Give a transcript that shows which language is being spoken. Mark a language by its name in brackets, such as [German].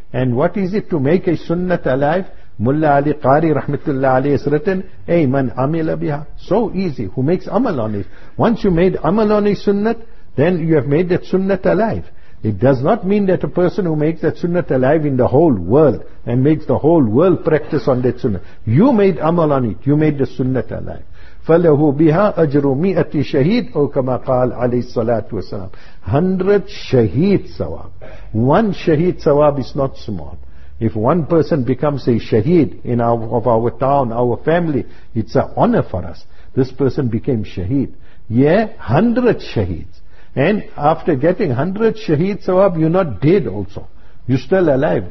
[English] And what is it to make a sunnah alive? Mullah Ali Qari Rahmatullah Ali has written, [Arabic] "Ey man amila biha." [English] So easy. Who makes amal on it? Once you made amal on a sunnat, then you have made that sunnat alive. It does not mean that a person who makes that sunnat alive in the whole world and makes the whole world practice on that sunnat. You made amal on it. You made the sunnat alive. [Arabic] فَلَهُ بِهَا أَجْرُ مِئَةِ شَهِيدٍ أَوْ كَمَا قَالَ عَلَيْهِ الصَّلَاةُ وَسَلَامُ [English] 100 shaheed sawab. One shaheed sawab is not small. If one person becomes a shaheed in our town, our family, it's an honor for us. This person became shaheed. Yeah, 100 shaheeds. And after getting 100 shaheed sawab, you're not dead also. You're still alive.